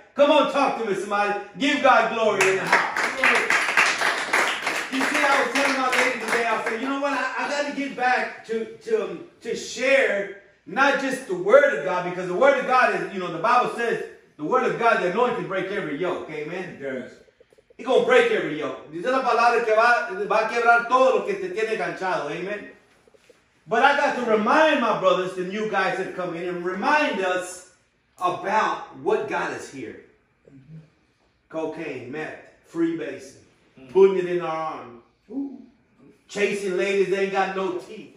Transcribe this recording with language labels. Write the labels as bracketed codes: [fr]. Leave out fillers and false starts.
[en] Come on, talk to me, somebody. Give God glory in the house. You see, I was telling my lady today, I said, you know what? I got to get back to share not just the word of God, because the word of God is, you know, the Bible says the word of God, the anointing can break every yoke. Amen? Yes. He's going to break every yoke. [es] Dice la palabra que va a quebrar todo lo que te tiene enganchado. [en] Amen. But I got to remind my brothers, the new guys that come in, and remind us about what got us here. cocaine, meth, freebasing, putting it in our arm, chasing ladies that ain't got no teeth.